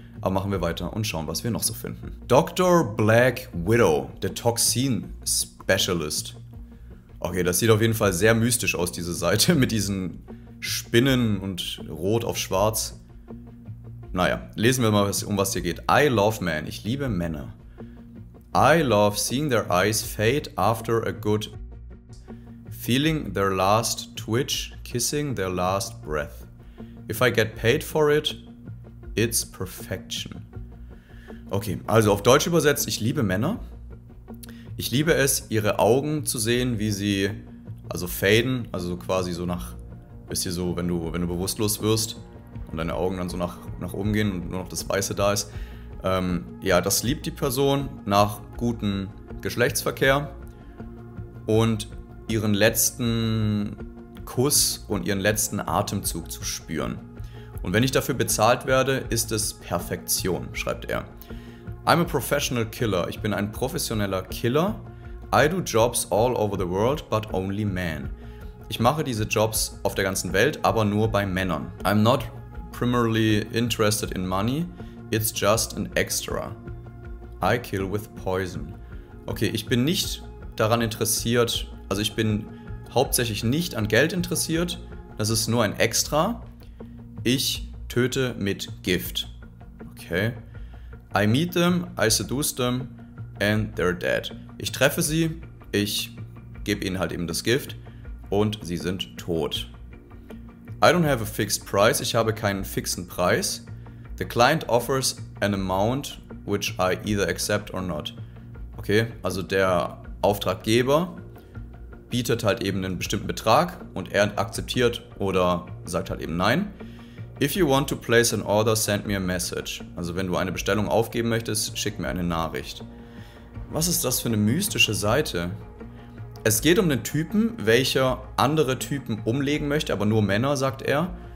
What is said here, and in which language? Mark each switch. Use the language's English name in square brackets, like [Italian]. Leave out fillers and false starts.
[German] Aber machen wir weiter und schauen, was wir noch so finden. Dr. Black Widow, der Toxin Specialist. Okay, das sieht auf jeden Fall sehr mystisch aus, diese Seite, mit diesen Spinnen und Rot auf Schwarz. Naja, lesen wir mal, um was hier geht. [English] I love men. [German] Ich liebe Männer. [English] I love seeing their eyes fade after a good... Feeling their last twitch, kissing their last breath. If I get paid for it, it's perfection. [German] Okay, also auf Deutsch übersetzt, ich liebe Männer. Ich liebe es, ihre Augen zu sehen, wie sie, also faden, also quasi so nach, wisst ihr so, wenn du bewusstlos wirst und deine Augen dann so nach oben gehen und nur noch das Weiße da ist. Das liebt die Person nach gutem Geschlechtsverkehr und ihren letzten Kuss und ihren letzten Atemzug zu spüren. Und wenn ich dafür bezahlt werde, ist es Perfektion, schreibt er. [English] I'm a professional killer. [German] Ich bin ein professioneller Killer. [English] I do jobs all over the world, but only men. [German] Ich mache diese Jobs auf der ganzen Welt, aber nur bei Männern. [English] I'm not primarily interested in money. It's just an extra. I kill with poison. [German] Okay, ich bin nicht daran interessiert, also ich bin hauptsächlich nicht an Geld interessiert. Das ist nur ein Extra. Ich töte mit Gift. Okay. [English] I meet them, I seduce them, and they're dead. [German] Ich treffe sie, ich gebe ihnen halt eben das Gift und sie sind tot. [English] I don't have a fixed price. [German] Ich habe keinen fixen Preis. [English] The client offers an amount which I either accept or not. [German] Okay, also der Auftraggeber bietet halt eben einen bestimmten Betrag und er akzeptiert oder sagt halt eben nein. [English] If you want to place an order, send me a message. [German] Also wenn du eine Bestellung aufgeben möchtest, schick mir eine Nachricht. Was ist das für eine mystische Seite? Es geht um einen Typen, welcher andere Typen umlegen möchte, aber nur Männer, sagt er.